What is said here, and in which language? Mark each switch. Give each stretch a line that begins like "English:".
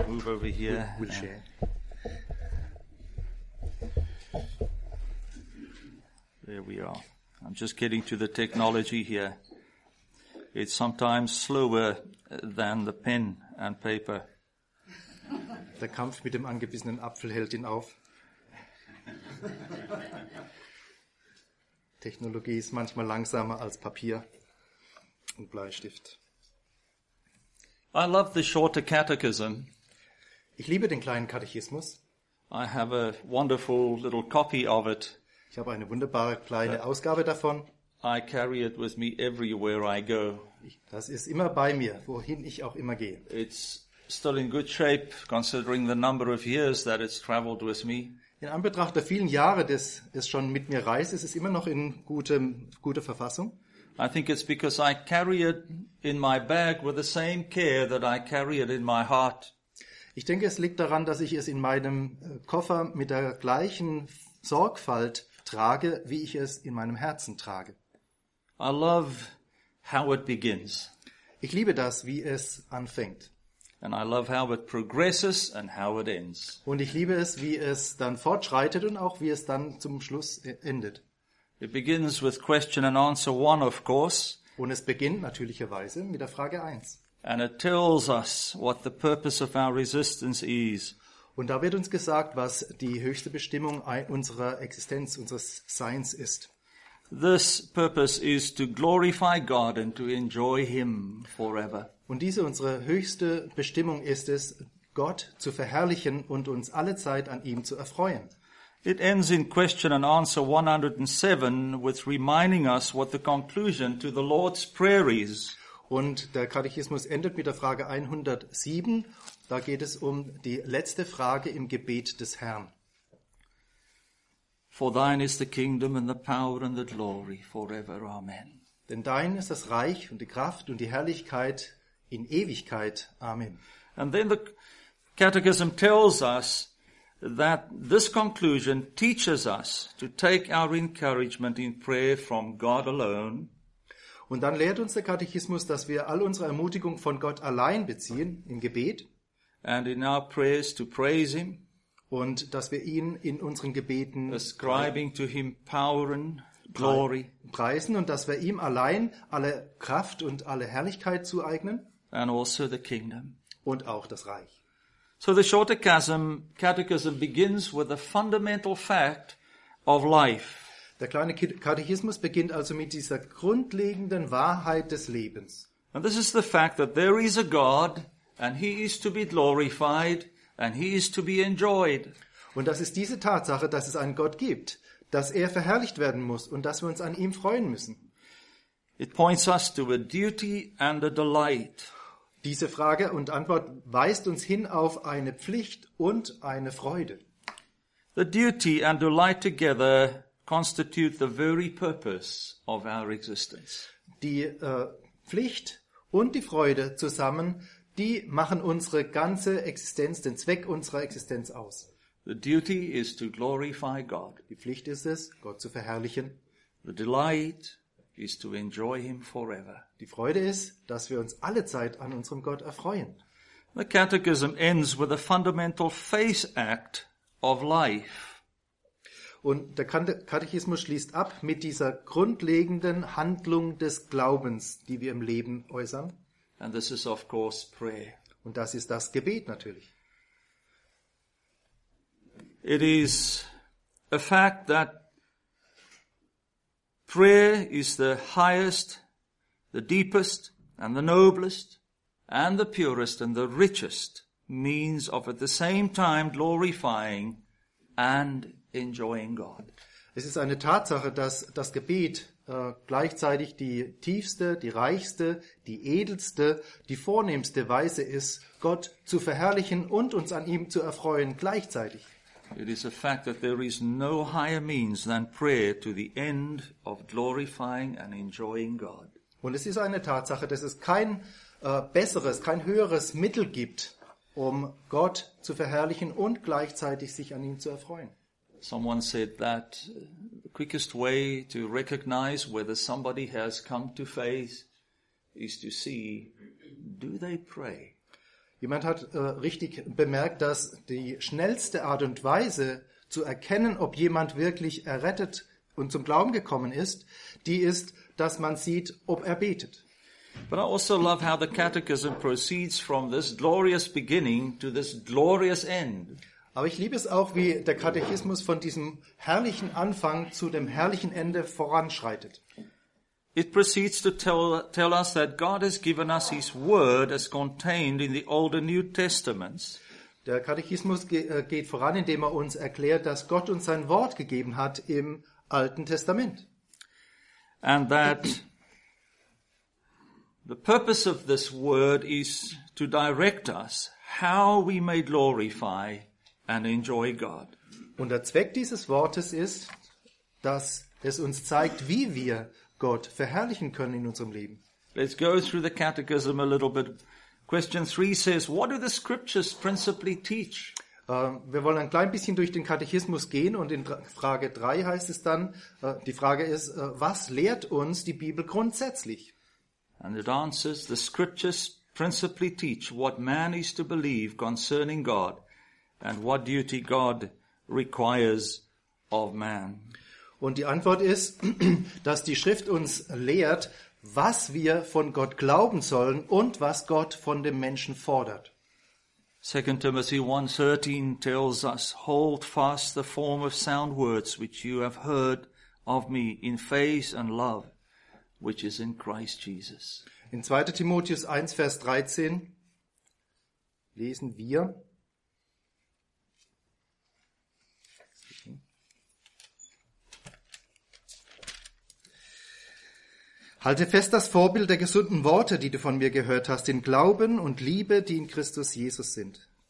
English: head. Move over here. We'll share. There we are. I'm just getting to the technology here. It's sometimes slower than the pen and paper.
German: Der Kampf mit dem angebissenen Apfel hält ihn auf. Technologie ist manchmal langsamer als Papier und Bleistift.
English: I love the shorter catechism.
German: Ich liebe den kleinen Katechismus.
English: I have a wonderful little copy of it.
German: Ich habe eine wunderbare kleine Ausgabe davon.
English: I carry it with me everywhere I go.
German: Das ist immer bei mir, wohin ich auch immer gehe.
English: It's still in good shape, considering the number of years that it's traveled with me.
German: In Anbetracht der vielen Jahre, dass es schon mit mir reist, ist es immer noch in guter Verfassung.
English: I think it's because I carry it in my bag with the same care that I carry it in my heart.
German: Ich denke, es liegt daran, dass ich es in meinem Koffer mit der gleichen Sorgfalt trage, wie ich es in meinem Herzen trage.
English: I love how it begins.
German: Ich liebe das, wie es anfängt.
English: And I love how it progresses and how it ends.
German: Und ich liebe es, wie es dann fortschreitet und auch wie es dann zum Schluss endet.
English: It begins with question and answer one, of course.
German: Und es beginnt natürlicherweise mit der Frage 1.
English: And it tells us what the purpose of our resistance is.
German: Und da wird uns gesagt, was die höchste Bestimmung unserer Existenz, unseres Seins ist.
English: This purpose is to glorify God and to enjoy Him forever.
German: Und diese, unsere höchste Bestimmung ist es, Gott zu verherrlichen und uns alle Zeit an ihm zu erfreuen.
English: It ends in question and answer 107 with reminding us what the conclusion to the Lord's Prayer is.
German: Und der Katechismus endet mit der Frage 107. Da geht es um die letzte Frage im Gebet des Herrn.
English: For thine is the kingdom and the power and the glory forever. Amen.
German: Denn dein ist das Reich und die Kraft und die Herrlichkeit in Ewigkeit. Amen.
English: And then the Catechism tells us that this conclusion teaches us to take our encouragement in prayer from God alone.
German: Und dann lehrt uns der Katechismus, dass wir all unsere Ermutigung von Gott allein beziehen im Gebet.
English: And in our prayers to praise Him.
German: Und dass wir ihn in unseren Gebeten
English: ascribing to Him power and glory.
German: Preisen und dass wir ihm allein alle Kraft und alle Herrlichkeit zueignen.
English: And also the kingdom.
German: Und auch das Reich.
English: So the Shorter Catechism begins with the fundamental fact of life.
German: Der kleine Katechismus beginnt also mit dieser grundlegenden Wahrheit des Lebens.
English: And this is the fact that there is a God and He is to be glorified and He is to be enjoyed.
German: Und das ist diese Tatsache, dass es einen Gott gibt, dass er verherrlicht werden muss und dass wir uns an ihm freuen müssen.
English: It points us to a duty and a delight.
German: Diese Frage und Antwort weist uns hin auf eine Pflicht und eine Freude.
English: The duty and delight together constitute the very purpose of our existence.
German: Die Pflicht und die Freude zusammen, die machen unsere ganze Existenz, den Zweck unserer Existenz aus.
English: The duty is to glorify God.
German: Die Pflicht ist es, Gott zu verherrlichen.
English: The delight is to enjoy Him forever.
German: Die Freude ist, dass wir uns alle Zeit an unserem Gott erfreuen.
English: The Catechism ends with a fundamental faith act of life.
German: Und der Katechismus schließt ab mit dieser grundlegenden Handlung des Glaubens, die wir im Leben äußern.
English: And this is of course prayer.
German: Und das ist das Gebet natürlich.
English: It is a fact that prayer is the highest, the deepest, and the noblest, and the purest, and the richest means of at the same time glorifying and enjoying God.
German: Es ist eine Tatsache, dass das Gebet gleichzeitig die tiefste, die reichste, die edelste, die vornehmste Weise ist, Gott zu verherrlichen und uns an ihm zu erfreuen gleichzeitig.
English: It is a fact that there is no higher means than prayer to the end of glorifying and enjoying God.
German: Und es ist eine Tatsache, dass es kein besseres, kein höheres Mittel gibt, um Gott zu verherrlichen und gleichzeitig sich an ihm zu erfreuen.
English: Someone said that the quickest way to recognize whether somebody has come to faith is to see, do they pray?
German: Jemand hat richtig bemerkt, dass die schnellste Art und Weise zu erkennen, ob jemand wirklich errettet und zum Glauben gekommen ist, die ist, dass man sieht, ob er betet.
English: But I also love how the Catechism proceeds from this glorious beginning to this glorious end.
German: Aber ich liebe es auch, wie der Katechismus von diesem herrlichen Anfang zu dem herrlichen Ende voranschreitet.
English: It proceeds to tell us that God has given us His Word as contained in the Old and New Testaments.
German: Der Katechismus geht voran, indem er uns erklärt, dass Gott uns sein Wort gegeben hat im Alten Testament.
English: And that the purpose of this Word is to direct us how we may glorify and enjoy God.
German: Und der Zweck dieses Wortes ist, dass es uns zeigt, wie wir Gott verherrlichen können in unserem Leben.
English: Let's go through the catechism a little bit. Question 3 says, what do the scriptures principally teach?
German: Wir wollen ein klein bisschen durch den Katechismus gehen und in Frage 3 heißt es dann, die Frage ist, was lehrt uns die Bibel grundsätzlich?
English: And it answers, the scriptures principally teach what man is to believe concerning God and what duty God requires of man.
German: Und die Antwort ist, dass die Schrift uns lehrt, was wir von Gott glauben sollen und was Gott von dem Menschen fordert.
English: 2 Timothy 1:13 tells us, hold fast the form of sound words which you have heard of me in faith and love, which is in Christ Jesus.
German: In 2. Timotheus 1, Vers 13 lesen wir, halte fest das Vorbild der gesunden Worte, die du von mir gehört hast, in Glauben und Liebe, die in Christus Jesus sind.